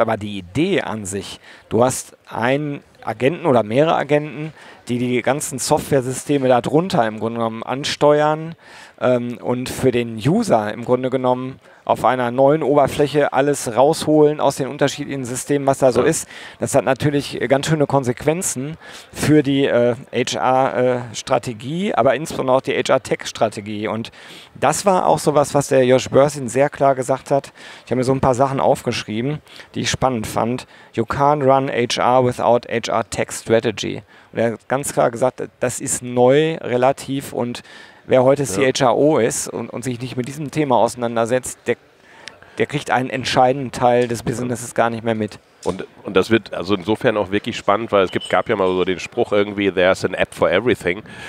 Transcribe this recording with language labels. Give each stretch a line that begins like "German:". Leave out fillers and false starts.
German: Aber die Idee an sich, du hast einen Agenten oder mehrere Agenten, die ganzen Software-Systeme da drunter im Grunde genommen ansteuern und für den User im Grunde genommen auf einer neuen Oberfläche alles rausholen aus den unterschiedlichen Systemen, was da so ist. Das hat natürlich ganz schöne Konsequenzen für die HR-Strategie, aber insbesondere auch die HR-Tech-Strategie. Und das war auch sowas, was der Josh Bersin sehr klar gesagt hat. Ich habe mir so ein paar Sachen aufgeschrieben, die ich spannend fand.
English: You can't run HR without HR-Tech-Strategy.
German: Und er hat ganz klar gesagt, das ist neu, relativ, und wer heute CHRO ist und sich nicht mit diesem Thema auseinandersetzt, der kriegt einen entscheidenden Teil des Businesses gar nicht mehr mit. Und das wird also insofern auch wirklich spannend, weil es gab ja mal so den Spruch irgendwie,
English: there's an app for everything.